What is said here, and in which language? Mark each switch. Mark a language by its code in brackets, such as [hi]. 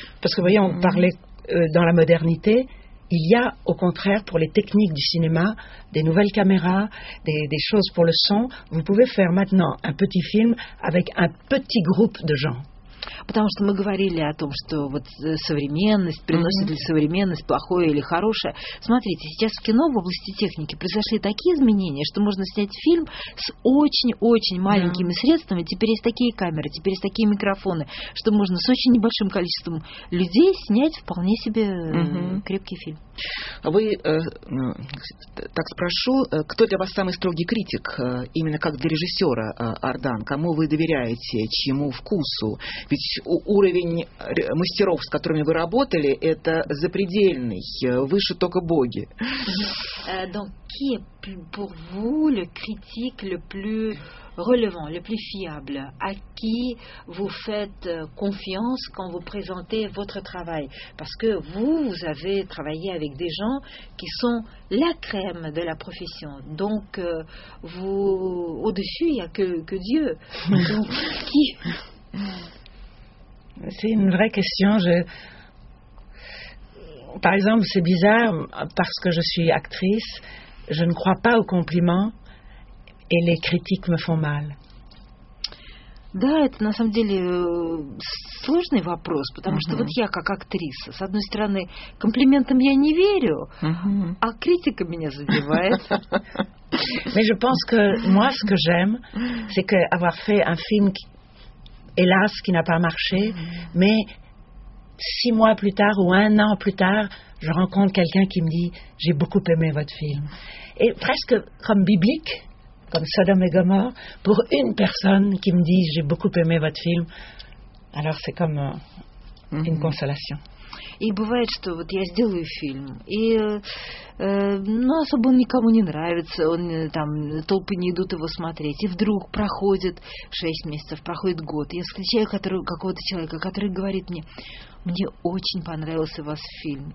[fr] Parce que voyons, on parlait dans la modernité, il y a au contraire pour les techniques du cinéma des nouvelles caméras, des choses pour le son. Vous pouvez faire maintenant un petit film avec un petit groupe de gens. [ru] Потому что мы говорили о том, что вот современность приносит ли современность плохое или хорошее. Смотрите, сейчас в кино в области техники произошли такие изменения, что можно снять фильм с очень-очень маленькими средствами. Теперь есть такие камеры, теперь есть такие микрофоны, что можно с очень небольшим количеством людей снять вполне себе крепкий фильм. Вы, так спрошу, кто для вас самый строгий критик, именно как для режиссера, Ардан? Кому вы доверяете, чьему вкусу? Ведь уровень мастеров, с которыми вы работали, это запредельный, выше только боги. [fr] Donc, qui est pour vous le critique le plus relevant, le plus fiable? À qui vous faites confiance quand vous présentez votre travail? Parce que vous, vous avez travaillé avec des gens qui sont la crème de la profession. Donc, vous, au-dessus, il n'y a que Dieu. Donc, qui? C'est une vraie question. Par exemple, c'est bizarre, parce que je suis actrice, je ne crois pas aux compliments et les critiques me font mal. [ru] Да, это на самом деле сложный вопрос, потому что вот я как актриса, с одной стороны, комплиментам я не верю, а критика меня задевает. [fr] Mais je pense que moi, ce que j'aime, c'est qu'avoir fait un film, qui, hélas, qui n'a pas marché, mais 6 mois plus tard ou un an plus tard, je rencontre quelqu'un qui me dit « J'ai beaucoup aimé votre film ». Et presque comme biblique, comme Sodome et Gomorre, pour une personne qui me dit « J'ai beaucoup aimé votre film », alors c'est comme une consolation. [ru] И бывает, что вот я сделаю фильм, и ну, особо он никому не нравится, он там толпы не идут его смотреть. И вдруг проходит 6 месяцев, проходит год. Я встречаю какого-то человека, который говорит мне: «Мне очень понравился ваш фильм».